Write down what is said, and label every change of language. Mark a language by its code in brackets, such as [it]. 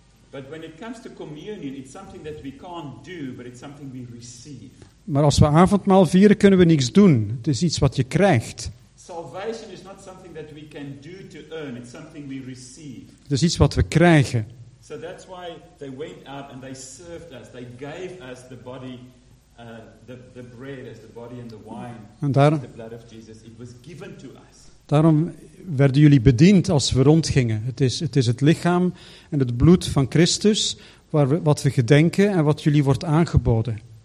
[en] But when it comes to communion, it's something that we can't do, but it's something we receive. [nl] Maar als we avondmaal vieren, kunnen we niks doen. Het is iets wat je krijgt. [en] Salvation is not something that we can do to earn, it's something we receive. [nl] Het is iets wat we krijgen. [en] So that's why they went out and they served us. They gave us the body, the bread as the body and the wine. [nl] En daarom, [en] the blood of Jesus, it was given to us. [nl] Daarom werden jullie bediend als we rondgingen. Het is het lichaam en het bloed van Christus wat we gedenken en wat jullie wordt aangeboden.